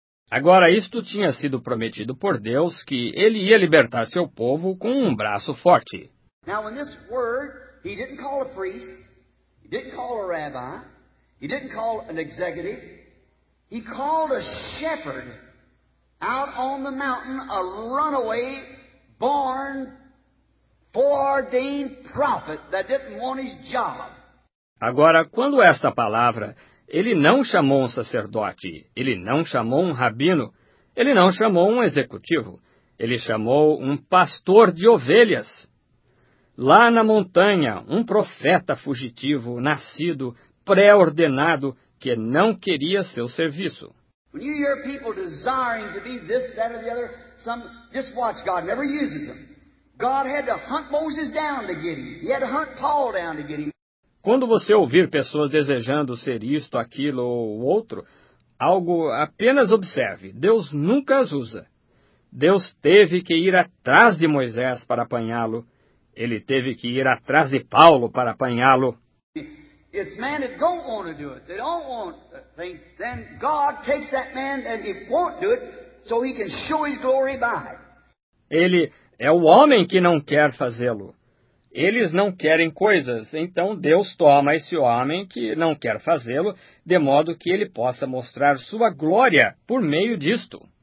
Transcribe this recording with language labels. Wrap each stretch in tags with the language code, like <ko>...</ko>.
<pt>Agora, isto tinha sido prometido por Deus que ele ia libertar seu povo com um braço forte.</pt> <en>Now, in this word, he didn't call a priest, he didn't call a rabbi, he didn't call an executive, he called a shepherd out on the mountain, a runaway, born, foreordained prophet that didn't want his job.</en> <pt>Agora, quando esta palavra, ele não chamou um sacerdote, ele não chamou um rabino, ele não chamou um executivo, ele chamou um pastor de ovelhas. Lá na montanha, um profeta fugitivo, nascido, pré-ordenado, que não queria seu serviço. Quando você ouve pessoas desejando ser isso, isso ou outro,</pt> <en>some just watch, God never uses them. God had to hunt Moses down to get him. He had to hunt Paul down to get him.</en> <pt>Quando você ouvir pessoas desejando ser isto, aquilo ou outro, algo, apenas observe. Deus nunca as usa. Deus teve que ir atrás de Moisés para apanhá-lo. Ele teve que ir atrás de Paulo para apanhá-lo.</pt> <en>It's men that don't want to do it. They don't want things. Then God takes that man and he won't do it so he can show his glory by it.</en> <pt>Ele é o homem que não quer fazê-lo. Eles não querem coisas, então Deus toma esse homem que não quer fazê-lo, de modo que ele possa mostrar sua glória por meio disto.</pt>